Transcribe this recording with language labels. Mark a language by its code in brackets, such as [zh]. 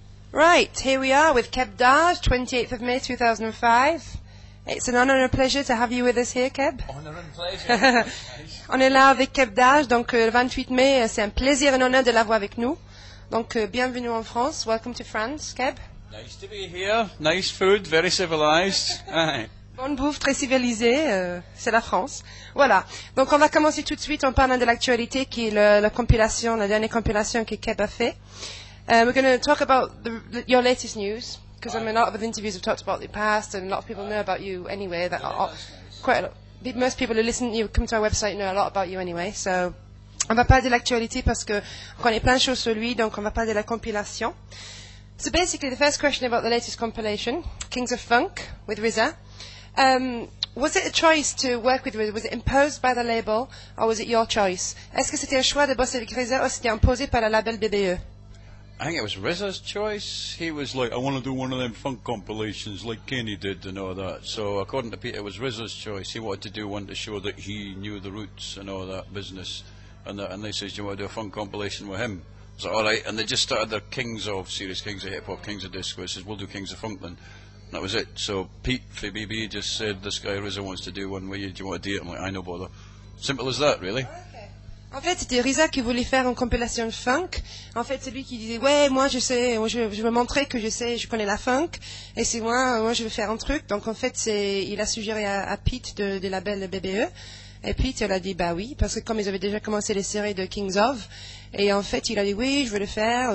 [en] Right, here we are with Keb Darj, 28th of May 2005. It's an honour and a pleasure to have you with us here, Keb. Honour and pleasure. [fr] On est là avec Keb Darj, donc le 28 mai, c'est un plaisir et un honneur de l'avoir avec nous. Donc bienvenue en France, [en] welcome to France, [fr] Keb. [en] Nice to be here, nice food, very civilized. [fr] Bonne bouffe, très civilisée, c'est la France. Voilà, donc on va commencer tout de suite en parlant de l'actualité qui est la compilation, la dernière compilation que Keb a fait. [en] We're going to talk about your latest news, because I mean, a lot of interviews have talked about the past, and a lot of people know about you anyway. Most people who listen to you, come to our website, know a lot about you anyway. [fr] So, on va parler de l'actualité, parce qu'on connaît plein de choses sur lui, donc on va parler de la compilation. [en] So basically, the first question about the latest compilation, Kings of Funk, with RZA. Was it a choice to work with RZA? Was it imposed by the label, or was it your choice? [fr] Est-ce que c'était un choix de bosser avec RZA, ou c'était imposé par le label BBE? [en] I think it was RZA's choice. He was like, I want to do one of them funk compilations like Kenny did and all that. So according to Peter, it was RZA's choice. He wanted to do one to show that he knew the roots and all that business. And they said, do you want to do a funk compilation with him? I said, all right. And they just started their Kings of series, Kings of Hip Hop, Kings of Disco. He says, we'll do Kings of Funk then. And that was it. So Pete from BB just said, this guy RZA wants to do one with you. Do you want to do it? I'm like, I no bother. Simple as that, really. [fr] En fait, c'était RZA qui voulait faire une compilation de funk. En fait, c'est lui qui disait, ouais, moi, je sais, je veux montrer que je sais, je connais la funk. Et c'est moi, je veux faire un truc. Donc, en fait, il a suggéré à Pete de label BBE. Et Pete, il a dit, bah oui, parce que comme ils avaient déjà commencé les séries de Kings of, et en fait, il a dit, oui, je veux le faire.